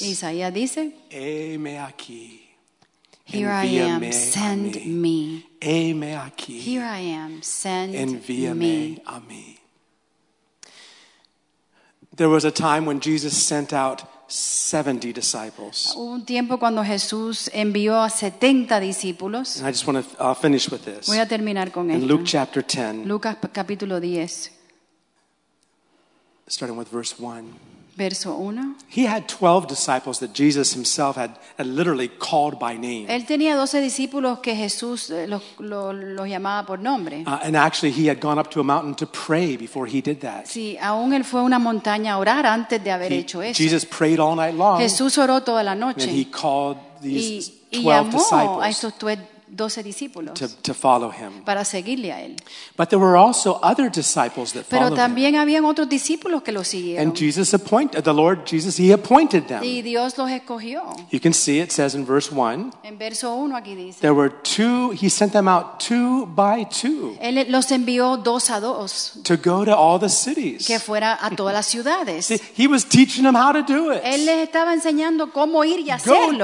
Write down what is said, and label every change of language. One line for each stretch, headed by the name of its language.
Spanish: Isaías dice. Heme aquí.
English: Here I am, send me.
Spanish: Heme aquí.
English: Here I am, send me.
Spanish: Envíame a mí.
English: There was a time when Jesus sent out 70 disciples.
Spanish: Hubo un tiempo cuando Jesús envió a 70 discípulos.
English: And I just want to finish with this.
Spanish: Voy a terminar con
English: esto. In Luke chapter 10.
Spanish: Lucas capítulo 10.
English: Starting with verse 1.
Spanish: Verso 1.
English: He had 12 disciples that Jesus himself had literally called by name.
Spanish: Él tenía 12 discípulos que Jesús los llamaba por nombre.
English: And actually he had gone up to a mountain to pray before he did that.
Spanish: Sí, aún él fue a una montaña a orar antes de haber hecho eso.
English: Jesus prayed all night long.
Spanish: Jesús oró toda la noche.
English: And he called these 12 disciples.
Spanish: Y llamó a estos 12 discípulos
English: to follow him.
Spanish: Para seguirle a él.
English: But there were also other disciples that
Spanish: Pero
English: followed
Spanish: también
English: him.
Spanish: Habían otros discípulos que lo siguieron.
English: And Jesus appointed, the Lord Jesus, he appointed them.
Spanish: Y Dios los escogió.
English: You can see it says in verse 1.
Spanish: En verso 1 aquí dice.
English: There were two, he sent them out two by two.
Spanish: Él los envió dos a dos.
English: To go to all the cities.
Spanish: Que fuera a todas las ciudades.
English: See, he was teaching them how to do it.
Spanish: Él les estaba enseñando cómo ir y hacerlo.